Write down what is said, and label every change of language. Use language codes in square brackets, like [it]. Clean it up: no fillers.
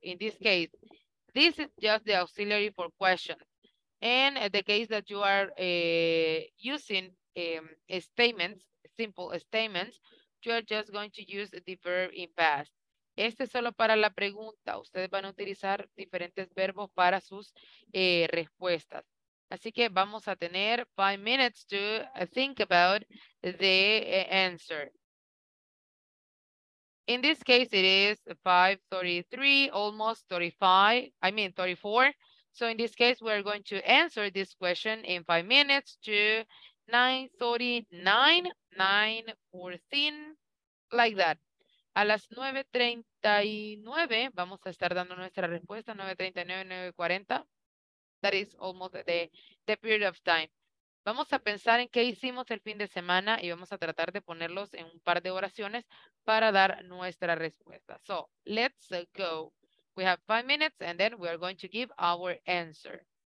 [en] In this case, this is just the auxiliary for questions. And the case that you are using statements, simple statements, you are just going to use the verb in past. [es] Este es solo para la pregunta. Ustedes van a utilizar diferentes verbos para sus respuestas. Así que vamos a tener [en] 5 minutes to think about the answer. In this case, it is 5:33, almost 35, I mean 34. So in this case, we're going to answer this question in 5 minutes to 9:39, 9:14, like that. [es] A las 9:39, vamos a estar dando nuestra respuesta, 9:39, 9:40. [en] That is almost the period of time. [es] Vamos a pensar en qué hicimos el fin de semana y vamos a tratar de ponerlos en un par de oraciones para dar nuestra respuesta. [en] So, let's go. We have 5 minutes and then we are going to give our answer.